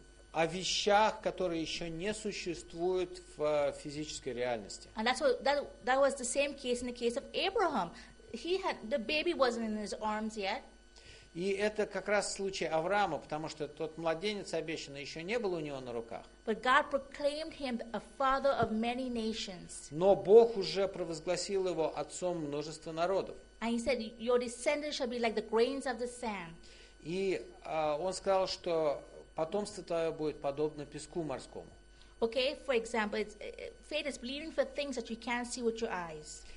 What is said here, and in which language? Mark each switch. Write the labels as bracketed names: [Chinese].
[Russian] О вещах, которые еще не существуют в физической реальности. [English] And that's what that was the same case in the case of Abraham. The baby wasn't in his arms yet. [Russian] И это как раз случай Авраама, потому что тот младенец обещанный еще не был у него на руках. [English] But God proclaimed him a father of many nations. [Russian] Но Бог уже провозгласил его отцом множества народов. [English] And he said, your descendants shall be like the grains of the sand. [Russian] И он сказал, что потомство твое будет подобно песку морскому. [English] Okay, for example, faith is believing for things that you can't see with your eyes.